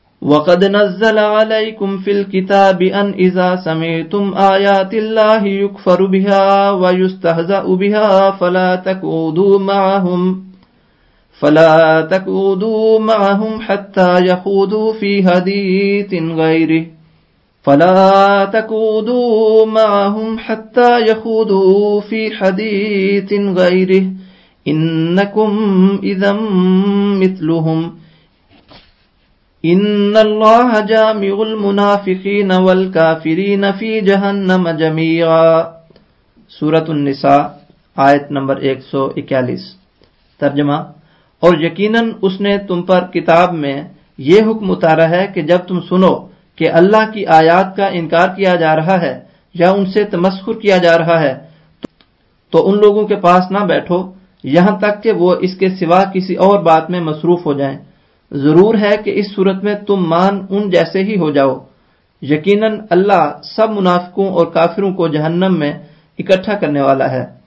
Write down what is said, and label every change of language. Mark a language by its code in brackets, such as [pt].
[ar] وَقَدْ نَزَّلَ عَلَيْكُمْ فِي الْكِتَابِ أَنْ إِذَا سَمِعْتُمْ آيَاتِ اللَّهِ يُكْفَرُ بِهَا وَيُسْتَهْزَأُ بِهَا فَلَا تَكُودُوا مَعَهُمْ حَتَّى يَخُودُوا فِي حَدِيثٍ غَيْرِهِ إِنَّكُمْ إِذًا مِثْلُهُمْ إن الله جامع المنافقين والكافرين في جهنم جميعا. [ur] سورة النساء آیت نمبر 141. ترجمہ: اور یقیناً اس نے تم پر کتاب میں یہ حکم اتارا ہے کہ جب تم سنو کہ اللہ کی آیات کا انکار کیا جا رہا ہے یا ان سے تمسخر کیا جا رہا ہے تو ان لوگوں کے پاس نہ بیٹھو یہاں تک کہ وہ اس کے سوا کسی اور بات میں مصروف ہو جائیں، ضرور ہے کہ اس صورت میں تم مان ان جیسے ہی ہو جاؤ، یقیناً اللہ سب منافقوں اور کافروں کو جہنم میں اکٹھا کرنے والا ہے.